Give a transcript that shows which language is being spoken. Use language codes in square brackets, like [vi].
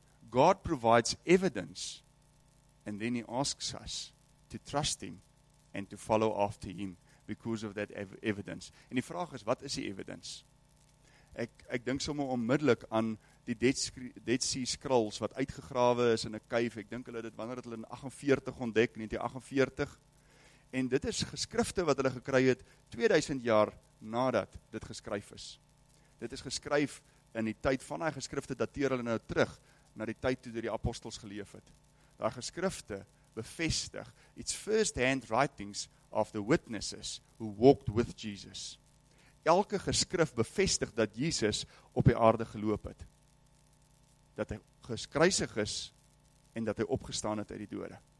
[en] God provides evidence and then he asks us to trust him and to follow after him because of that evidence. [af] En die vraag is, wat is die evidence? Ek dink sommer onmiddellik aan die Dead Sea Scrolls wat uitgegrawe is in 'n kuif. Ek dink hulle het dit wanneer het hulle in 48 ontdek, 1948. En dit is geskrifte wat hulle gekry het 2000 jaar nadat dit geskryf is. Dit is geskryf in die tyd van daai geskrifte, dateer hulle nou terug na die tyd toe die apostels geleef het. Daai geskrifte bevestig [en] its first hand writings of the witnesses who walked with Jesus. [af] Elke geskrif bevestig dat Jesus op die aarde geloop het. Dat hy gekruisig is en dat hy opgestaan het uit die dode.